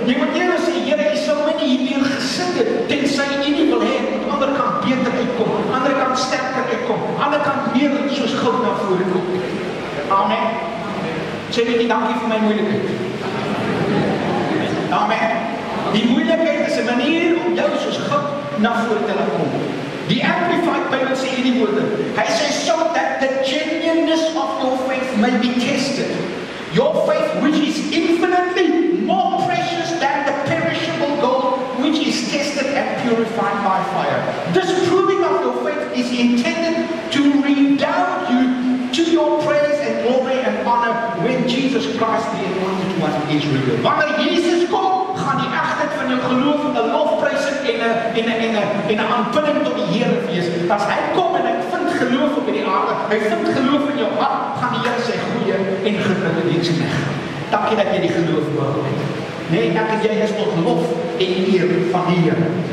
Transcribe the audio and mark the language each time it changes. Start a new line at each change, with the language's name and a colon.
Afrikaans: Jy moet eerder sê, Here, jy sal my nie hierdeur gesit het, tensy jy nie wil hê, moet ander kant beter uitkom, ander kant sterker uitkom, ander kant meer soos goud na vore kom. Amen. Sê net nie dankie vir my moeilikheid. Amen. Die moeilikheid is 'n manier om jou soos goud na vore te laat kom. Die Amplified Bible sê hierdie woorde. Hy sê,
English: so that the genuineness of your faith may be tested. Your faith which is infinitely more precious than the perishable gold which is tested and purified by fire. This proving of your faith is intended to redound you to your praise and glory and honor when Jesus Christ the anointed one is revealed.
Afrikaans: Wanneer Jesus kom, gaan die egtheid van jou geloof in 'n lofprys en 'n aanbidding tot die Here wees. As hy kom en hy vind geloof op die aarde, hy vind geloof in jou hart, gaan die Here sy goeie en getroue dienste weg. Dankie dat jy die geloof nodig het. Nee, dankie jy is tot lof en eer van die Here.